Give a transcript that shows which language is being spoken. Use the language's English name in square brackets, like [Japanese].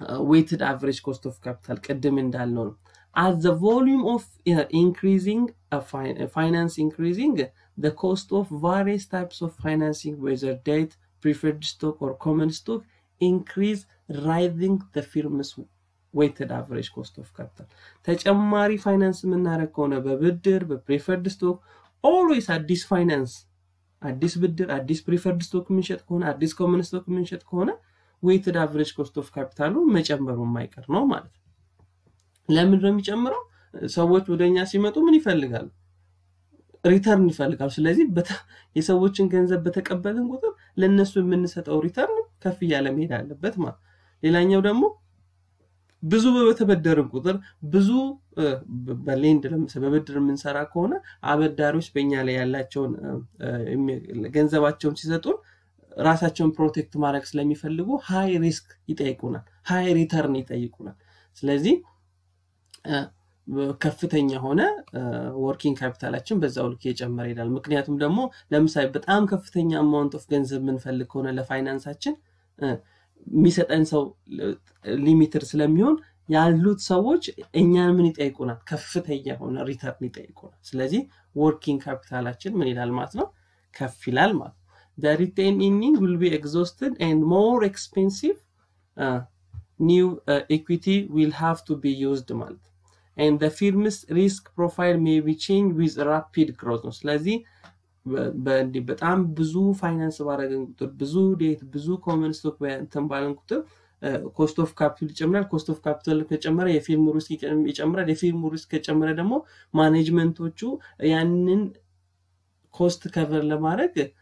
[English] weighted average cost of capital [Amharic] ቀደም እንዳልነው። [English] As the volume of increasing finance increasing the cost of various types of financing whether debt preferred stock or common stock increase rising the firm's weighted average cost of capital. [Amharic] ተጨማሪ ፋይናንስ የምናረከው ከሆነ በብድር በpreferred stock [English] always at this finance at this bidder at this preferred stock [Amharic] ምንሸጥ ከሆነ at this common stock ምንሸጥ ከሆነ weighted average cost of capitalው መጨመሩ የማይቀር ነው ማለት። ለምን ነው የሚጨምረው? ሰዎች ወደኛ ሲመጡ ምን ይፈልጋሉ? ሪተርን ይፈልጋሉ። ስለዚህ የሰዎችን ገንዘብ በተቀበልን ቁጥር ለነሱ የምንሰጠው ሪተርን ከፍ ያለ መሄድ አለበት ማለት። ሌላኛው ደግሞ ብዙ በተበደርን ቁጥር ብዙ በሌንድ ለምሰበብድር ምንሰራ ከሆነ አበዳሪዎች በእኛ ላይ ያላቸውን ገንዘባቸውን ሲሰጡን ራሳቸውን ፕሮቴክት ማድረግ ስለሚፈልጉ ሃይ ሪስክ ይጠይቁናል፣ ሃይ ሪተርን ይጠይቁናል። ስለዚህ ከፍተኛ ሆነ ወርኪንግ ካፒታላችን በዛው ልክ እየጨመረ ይላል። ምክንያቱም ደግሞ ለምሳሌ በጣም ከፍተኛ አማውንት ኦፍ ገንዘብ ምንፈልግ ሆነ ለፋይናንሳችን የሚሰጠን ሰው ሊሚትድ ስለሚሆን ያሉት ሰዎች እኛን ምን ይጠይቁናል? ከፍተኛ ሆነ ሪተርን ይጠይቁናል። ስለዚህ ወርኪንግ ካፒታላችን ምን ይላል ማለት ነው? ከፍ ይላል ማለት ነው። [English] The retained earnings will be exhausted and more expensive new equity will have to be used ማለት and the firm's risk profile may be changed with rapid growth. [Amharic] ስለዚህ በእንዲህ በጣም ብዙ ፋይናንስ ባረገን ቁጥር ብዙ ዴት ብዙ ኮመን ስቶክ እንትን ባለን ቁጥር cost of capital ይጨምራል። cost of capital ከጨመረ የፊርም ሪስክ ይጨምራል። የፊርም ሪስክ ከጨመረ ደግሞ ማኔጅመንቶቹ ያንን cost cover ለማድረግ